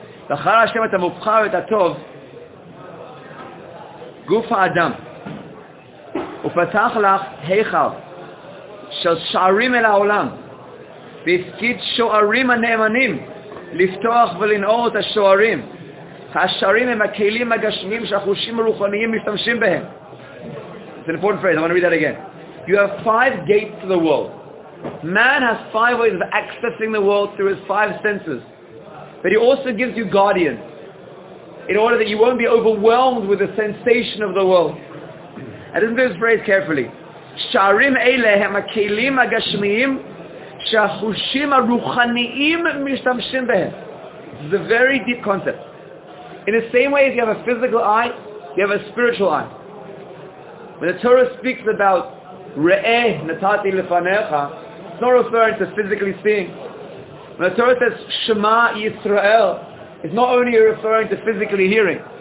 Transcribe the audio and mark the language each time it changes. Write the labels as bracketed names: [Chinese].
[Hebrew] V'char Hashem et ha'mubchar et ha'tov, guf ha'adam, u'patach lach heichal, shal sh'arim el ha'olam, v'ifkid sh'arim ha'ne'emanim, לפתוח ולנעור את השוערים. השוערים הם הכלים הגשמיים שהחושים הרוחניים משתמשים בהם. [English] It's an important phrase, I want to read that again. You have five gates to the world. Man has five ways of accessing the world through his five senses. But he also gives you guardians in order that you won't be overwhelmed with the sensation of the world. And listen to this phrase carefully. [Hebrew] שוערים אלה הם הכלים הגשמיים שהחושים הרוחניים משתמשים בהם. [English] This is a very deep concept. In the same way as you have a physical eye, you have a spiritual eye. When the Torah speaks about [Hebrew] Re'eh Natati Lefanecha, [English] It's not referring to physically seeing. When the Torah says Shema Yisrael, it's not only referring to physically hearing.